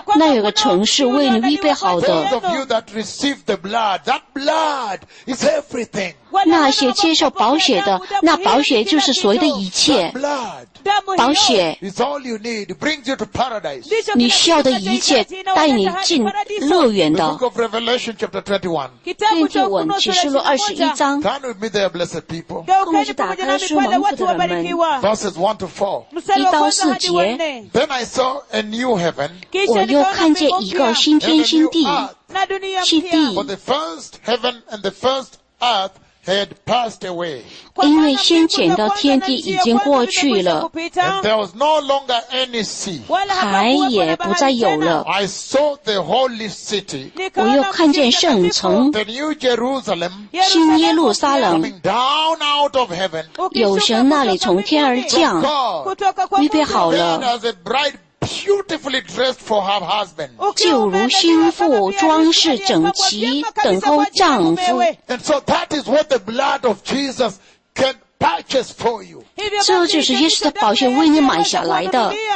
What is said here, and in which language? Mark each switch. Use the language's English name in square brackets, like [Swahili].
[Chinese] 那有个城市为你预备好的, [English] those of you that receive the blood, that blood is everything. [Chinese] 那些接受保血的, 那保血就是所谓的一切, [English] that blood, [Chinese] 保血, [English] it's all you need, it brings you to paradise. [Chinese] 你需要的一切, 带你进乐园的, [English] the book of Revelation chapter 21, [Chinese] 启示录21章, [English] turn with me there, blessed people. Verses 1 to 4. [Chinese] 1到4节, [English] then I saw a new heaven, [Chinese] 我又看见一个新天新地, [English] and a new earth, [Chinese] 新地, [English] for the first heaven and the first earth had passed away. [Chinese] 因为先前的天地已经过去了, [English] and there was no longer any sea. [Chinese] 海也不再有了, [English] I saw the holy city, [Chinese] 我又看见圣城, [English] the new Jerusalem, [Chinese] 新耶路撒冷, [English] coming down out of heaven, [Chinese] 有神那里从天而降, [English] God, [Chinese] 预备好了, [English] beautifully dressed for her husband. [Chinese] 就如新妇装饰整齐等候丈夫。 [English] And so that is what the blood of Jesus can purchased for you. [Chinese] 这就是耶稣的宝血为你买下来的。